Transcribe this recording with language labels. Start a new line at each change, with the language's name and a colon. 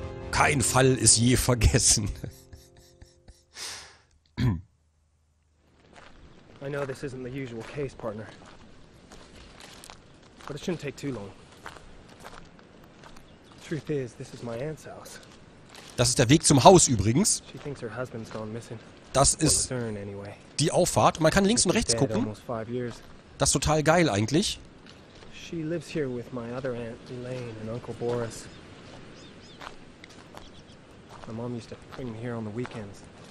German: Kein Fall ist je vergessen.
English: I know this isn't the usual case, partner. But it shouldn't take too long. Truth is, this is my aunt's house.
German: Das ist der Weg zum Haus übrigens.
English: She thinks her husband's gone missing.
German: Das ist die Auffahrt. Man kann links und rechts gucken. Das ist total geil eigentlich.
English: She lives here with my other aunt Elaine and Uncle Boris. My mom used to bring me here on the weekends.